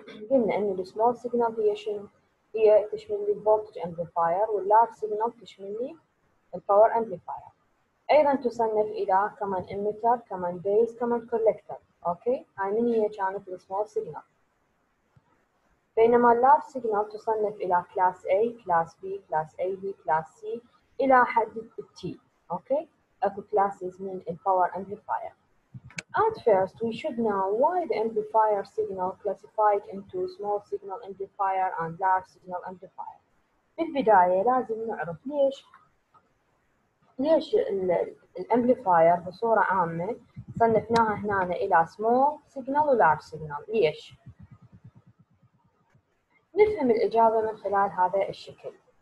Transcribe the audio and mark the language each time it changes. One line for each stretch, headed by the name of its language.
Arabic: قلنا إن الـ small signal هي شنو؟ هي تشمل لي voltage amplifier، والـ large signal تشمل لي الـ power amplifier. أيضا تصنف إلى كمان emitter، كمان base، كمان collector. أوكي؟ هاي من هي كانت الـ small signal. بينما الـ large signal تصنف إلى class A، class B، class AB، class C إلى حد الـ T. أوكي؟ اكو كلاسز من الباور امبليفاير.
English: At first we should know why the amplifier signal classified into small signal amplifier and large signal amplifier.
Arabic: بالبداية لازم نعرف ليش الامبليفاير بصورة عامة صنفناها هنا الى small signal و large signal، ليش؟ نفهم الاجابة من خلال هذا الشكل.